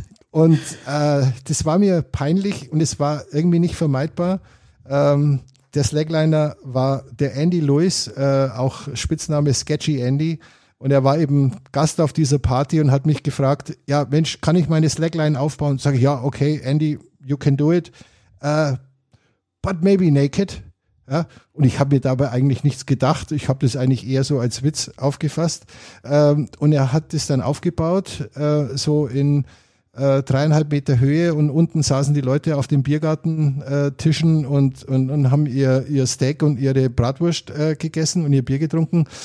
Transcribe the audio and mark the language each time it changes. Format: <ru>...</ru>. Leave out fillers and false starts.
<de>Und das war mir peinlich und es war irgendwie nicht vermeidbar. Der Slackliner war der Andy Lewis, auch Spitzname Sketchy Andy. Und er war eben Gast auf dieser Party und hat mich gefragt, ja Mensch, kann ich meine Slackline aufbauen? Sag ich, ja, okay, Andy,</de> <en>you can do it. But maybe naked.</en> <de>Ja, und ich habe mir dabei eigentlich nichts gedacht. Ich habe das eigentlich eher so als Witz aufgefasst. Und er hat das dann aufgebaut, so in 3,5 Meter Höhe. Und unten saßen die Leute auf den Biergartentischen und haben ihr Steak und ihre Bratwurst gegessen und ihr Bier getrunken.</de>